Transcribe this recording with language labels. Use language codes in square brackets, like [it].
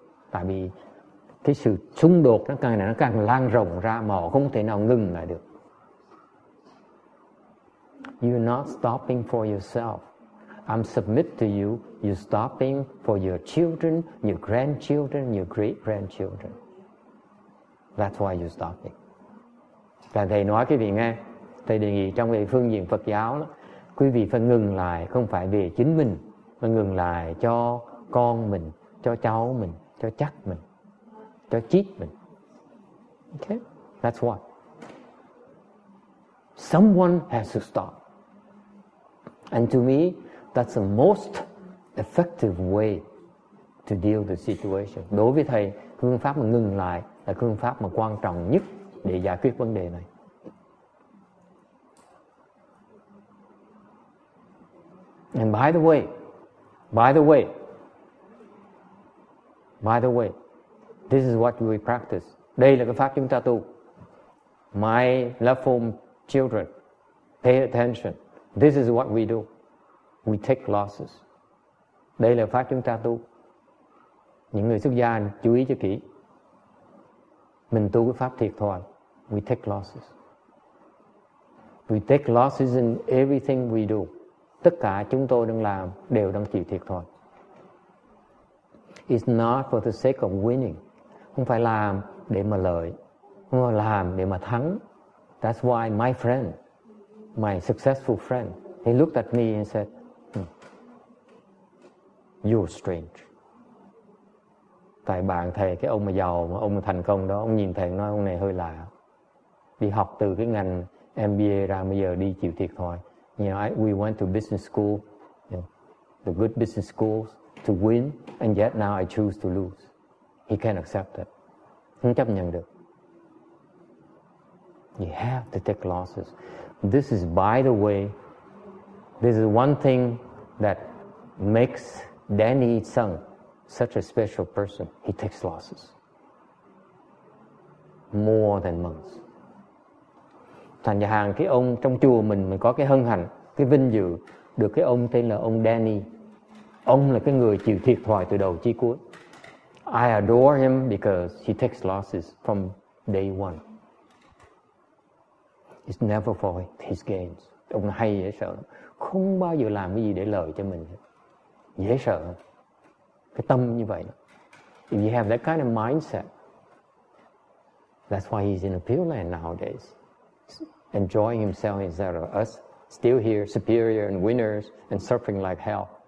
[vi] Tại vì cái sự xung đột nó càng lan rộng ra mà họ không thể nào ngừng lại được. [en] You're not stopping for yourself. I'm submit to you, you're stopping for your children, your grandchildren, your great-grandchildren. That's why you're stopping. [vi] Và thầy nói quý vị nghe, thầy đề nghị trong cái phương diện Phật giáo đó, quý vị phải ngừng lại, không phải về chính mình, mà ngừng lại cho con mình, cho cháu mình, cho chắc mình, cho chít mình. [en] Okay? That's why. Someone has to stop. And to me, that's the most effective way to deal with the situation. [vi] Đối với thầy, phương pháp mà ngừng lại là phương pháp mà quan trọng nhất để giải quyết vấn đề này. [en] And by the way, this is what we practice. [vi] Đây là cái pháp chúng ta tu. [en] My loveful children, pay attention. This is what we do. We take losses. [vi] Đây là pháp chúng ta tu. Những người xuất gia chú ý cho kỹ. Mình tu cái pháp thiệt thòi. [en] We take losses. We take losses in everything we do. [vi] Tất cả chúng tôi đang làm đều đang chịu thiệt thòi. [en] It's not for the sake of winning. [vi] Không phải làm để mà lợi. Không phải làm để mà thắng. [en] That's why my friend, my successful friend, he looked at me and said, you're strange. [vi] Tại bạn thầy, cái ông mà giàu, mà ông mà thành công đó, ông nhìn thầy nói ông này hơi lạ. Đi học từ cái ngành MBA ra bây giờ đi chịu thiệt thòi. [en] You know, we went to business school, you know, the good business schools, to win, and yet now I choose to lose. He can't accept it. [vi] Không chấp nhận được. [en] You have to take losses. This is, by the way, this is one thing that makes Danny Sung such a special person. He takes losses more than monks. [vi] thành nhà hàng cái ông trong chùa mình có cái hân hạnh, cái vinh dự được cái ông tên là ông Danny. Ông là cái người chịu thiệt thòi từ đầu chí cuối. [en] I adore him because he takes losses from day one. It's never for his gains. [vi] Ông hay dễ sợ lắm. Không bao giờ làm cái gì để lợi cho mình. Dễ sợ lắm. Cái tâm như vậy đó. [en] If you have that kind of mindset, that's why he's in a pure land nowadays. Enjoying himself instead of us. Still here, superior and winners and suffering like hell.